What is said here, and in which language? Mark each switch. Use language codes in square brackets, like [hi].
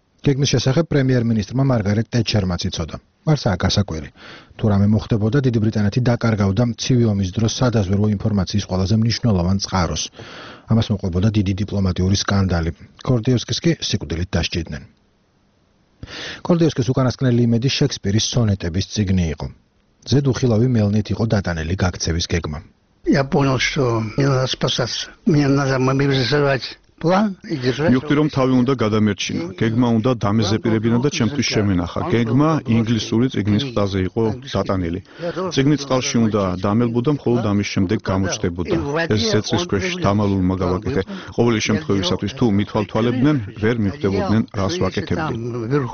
[ka] გეგმის შესახებ პრემიერ-მინისტრმა მარგარეტ ტეტჩერმაც იცოდა. მას არ გასაკვირი, თუ რამე მოხდებოდა დიდი ბრიტანეთი დაკარგავდა ცივი ომის დროს სადაზვერვო ინფორმაციის ყველაზე მნიშვნელოვან წყაროს. ამას მოყვებოდა დიდი დიპლომატიური სკანდალი. კორდიევსკის კი სიკვდილით დასჯიდნენ. კორდიევსკის უკანასკნელი იმედი შექსპირის სონეტების წიგნი იყო. ზედ უხილავი მელნით იყო დატანელი გაქცევის გეგმა. [ru] Я понял, что мне надо спасаться. Мне надо мобилизовать план и держать. [ka] Юктиром თავი უნდა გადამერჩინა. გეგმა უნდა დამეზეპირებინა და ჩემთვის შემენახა. გეგმა ინგლისური წიგნის ფრაზე იყო დატანილი. წიგნი წყალში უნდა დამელბოდა, მხოლოდ ამის შემდეგ გამოჩდებოდა. ეს ზეწის ქვეშ დამალულმა გავაკეთე. ყოველი შემთხვევისათვის თუ მithვალთვალებდნენ, ვერ მიხვდებოდნენ რას ვაკეთებდი.